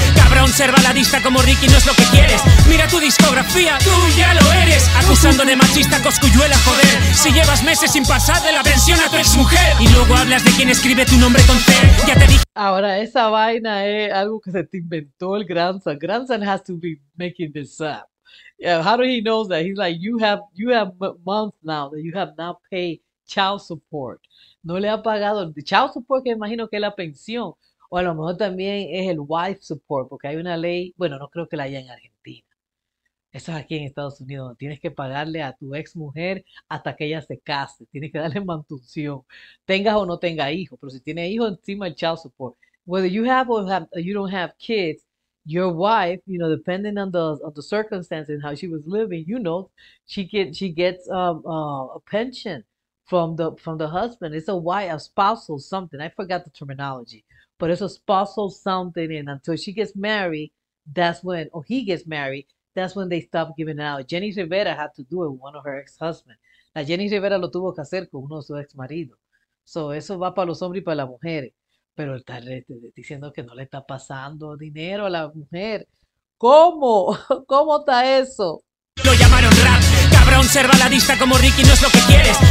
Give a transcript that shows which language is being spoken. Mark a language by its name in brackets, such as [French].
[Spanish] Cabrón, ser baladista como Ricky no es lo que quieres. Mira tu discografía, tú ya lo eres. Acusando de machista a Cosculluela, joder. Si llevas meses sin pasar de la pensión a tu ex mujer. Y luego hablas de quien escribe tu nombre con C. Ahora, esa vaina es algo que se te inventó el Grandson. [English] Grandson has to be making this up. Yeah, how do he know that? He's like, you have months now that you have not paid child support. No le ha pagado el child support, que imagino que es la pensión. O a lo mejor también es el wife support, porque hay una ley, bueno, no creo que la haya en Argentina. Eso es aquí en Estados Unidos. Tienes que pagarle a tu ex mujer hasta que ella se case. Tienes que darle mantención. Tengas o no tenga hijo. Pero si tiene hijo, encima el child support. Whether you have or have, you don't have kids, your wife, you know, depending on the circumstances and how she was living, you know, she gets a pension from the husband. It's a wife, a spousal something. I forgot the terminology. But it's a spousal something. And until she gets married, that's when, or he gets married, that's when they stopped giving out. Jenny Rivera had to do it with one of her ex-husbands. [Spanish] La Jenny Rivera lo tuvo que hacer con uno de sus ex-maridos. So eso va para los hombres y para las mujeres. Pero él está diciendo que no le está pasando dinero a la mujer. ¿Cómo? ¿Cómo está eso? Lo llamaron rap. Cabrón, ser baladista como Ricky no es lo que quieres.